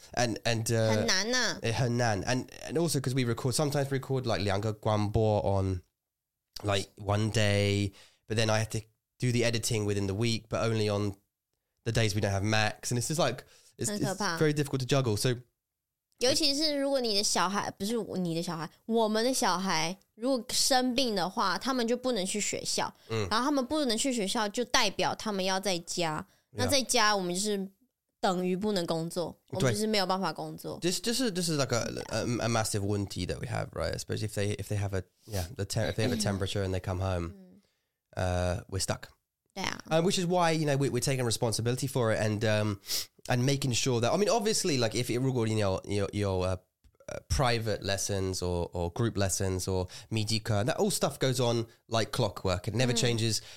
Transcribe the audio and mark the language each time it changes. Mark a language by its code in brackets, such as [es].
[en] And [zh] 很难呢。很难。 [en] And also because we record, sometimes we record like [zh] 两个广播 [en] on like one day, but then I have to do the editing within the week, but only on the days we don't have Max. And it's just like, it's very difficult to juggle. So, [zh] 尤其是如果你的小孩,不是你的小孩,我们的小孩如果生病的话，他们就不能去学校。然后他们不能去学校，就代表他们要在家。那在家，我们就是等于不能工作，我们就是没有办法工作。 [en] This is like a massive [zh] 问题 [en] that we have, right? Especially if they have a temperature and they come home, we're stuck. Yeah. Which is why, you know, we're taking responsibility for it and making sure that, I mean, obviously, like if you're recording your private lessons or group lessons or midika, that all stuff goes on like clockwork. It never changes.